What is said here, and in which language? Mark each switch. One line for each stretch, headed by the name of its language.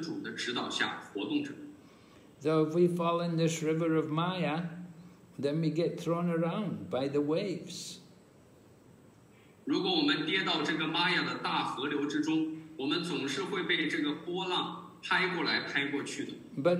Chinese: 他掌管着这个物质世界的创造和毁灭，但他也是在至尊主的指导下活动着。
English: So if we fall in this river of Maya, then we get thrown around by the waves.
Chinese: 如果我们跌到这个玛雅的大河流之中，我们总是会被这个波浪拍过来拍过去的。
English: But